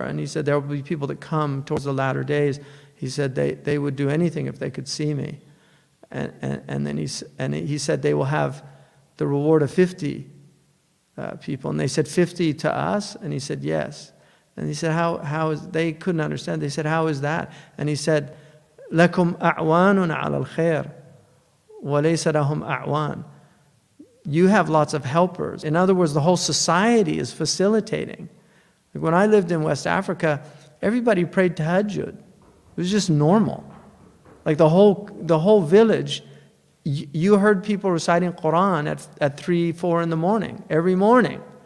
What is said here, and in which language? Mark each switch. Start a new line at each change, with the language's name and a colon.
English: And he said, there will be people that come towards the latter days. He said, they would do anything if they could see me. And then he said, they will have the reward of 50 people. And they said, 50 to us? And he said, yes. And he said, how is, they couldn't understand. They said, how is that?
Arabic: And he said, لَكُمْ أَعْوَانٌ عَلَى الْخَيْرِ وَلَيْسَ لَهُمْ أَعْوَانٌ.
English: You have lots of helpers. In other words, the whole society is facilitating. Like when I lived in West Africa, everybody prayed tahajjud. It was just normal. Like the whole village, you heard people reciting Qur'an at 3, 4 in the morning, every morning.